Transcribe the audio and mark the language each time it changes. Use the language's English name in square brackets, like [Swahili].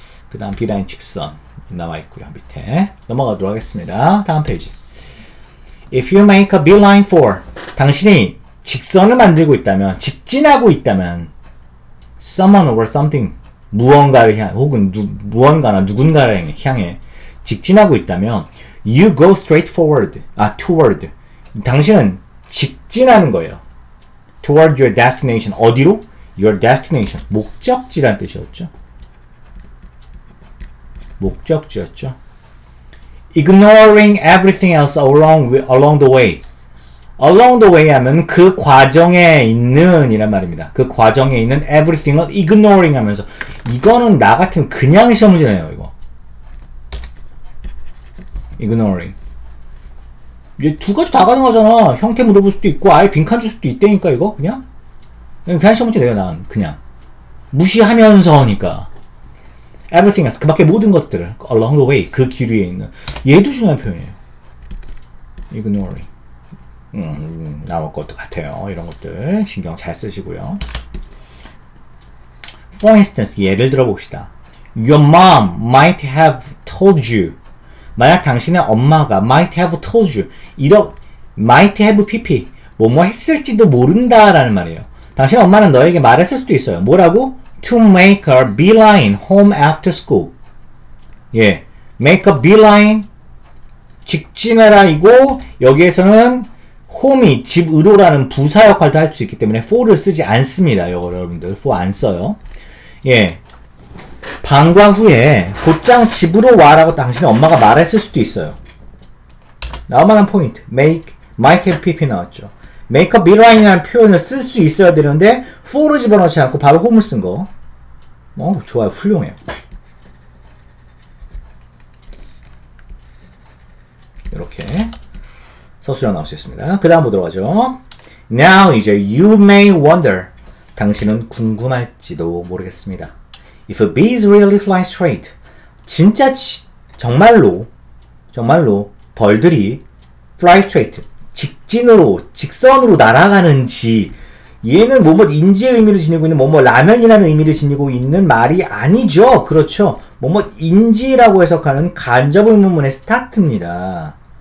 [Korean] 그 다음 B-line 직선. 나와있구요. 밑에. 넘어가도록 하겠습니다. 다음 페이지. [English] If you make a B-line for. [Korean] 당신이 직선을 만들고 있다면, 직진하고 있다면, [English] someone or something. [Korean] 무언가를 향해. 혹은 무언가나 누군가를 향해. 직진하고 있다면, [English] You go straight forward. 아, toward. [Korean] 당신은 직진하는 거예요. [English] Toward your destination. [Korean] 어디로? [English] Your destination. [Korean] 목적지란 뜻이었죠. 목적지였죠. [English] Ignoring everything else along the way. Along the way [Korean] 하면 그 과정에 있는 이란 말입니다. 그 과정에 있는 everything을 ignoring 하면서 이거는 나 같으면 그냥 시험 문제네요. 이거. [English] Ignoring. [Korean] 이제 두 가지 다 가능하잖아. 형태 물어볼 수도 있고 아예 빈칸 줄 수도 있다니까 이거 그냥. 그냥 시험 문제 내요 난 그냥. 무시하면서니까. [English] Everything else. [Korean] 그 밖에 모든 것들을. [English] Along the way. [Korean] 그 길 위에 있는. 얘도 중요한 표현이에요. Ignoring. 나올 것도 같아요. 이런 것들 신경 잘 쓰시고요. [English] For instance. [Korean] 예를 들어봅시다. [English] Your mom might have told you. [Korean] 만약 당신의 엄마가 [English] might have told you, [Korean] 이렇게 might have pp, 뭐뭐 했을지도 모른다 라는 말이에요. 당신의 엄마는 너에게 말했을 수도 있어요. 뭐라고? [English] To make a beeline home after school. [Korean] 예, make a beeline, 직진하라이고, 여기에서는 home이 집으로라는 부사 역할도 할 수 있기 때문에 for를 쓰지 않습니다. 이거 여러분들, for 안 써요. 예, 방과 후에 곧장 집으로 와라고 당신의 엄마가 말했을 수도 있어요. 나만한 포인트, make, might have pp 나왔죠. make a beeline이라는 표현을 쓸 수 있어야 되는데 for를 집어넣지 않고 바로 home을 쓴 거. 어, 좋아요. 훌륭해요. 이렇게 서술형 나올 수 있습니다. 그 다음 보도록 하죠. [English] Now, 이제 you may wonder. [Korean] 당신은 궁금할지도 모르겠습니다. [English] If bees really fly straight. [Korean] 진짜 정말로 벌들이 [English] fly straight. [Korean] 직진으로, 직선으로 날아가는지. 얘는 뭐뭐 인지의 의미를 지니고 있는 뭐뭐 라면이라는 의미를 지니고 있는 말이 아니죠. 그렇죠. 뭐뭐 인지라고 해석하는 간접 의문문의 스타트입니다.